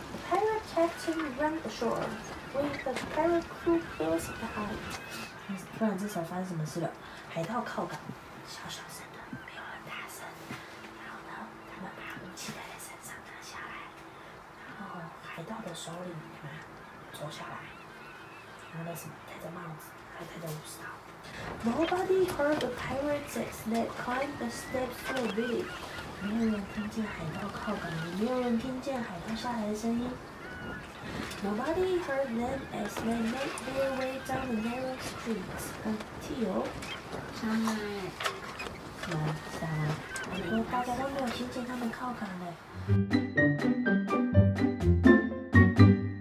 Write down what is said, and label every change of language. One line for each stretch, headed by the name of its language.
English: The pirate captain ran ashore with the pirate crew close behind.
Chinese: 突然这时候发生什么事了？海盗靠港，小小声的，没有很大声。然后呢，他们把武器带在身上拿下来。然后海盗的首领啊，坐下来，拿着什么？戴着帽子，还戴着武士刀。
English: Nobody heard the pirates that climbed the steps to the village.
Chinese: 没有人听见海盗靠港，也没有人听见海盗下来的声音。
English: Nobody heard them as they made their way down the narrow streets until
Chinese: 上来，上来，我说大家都没有听见他们靠港嘞。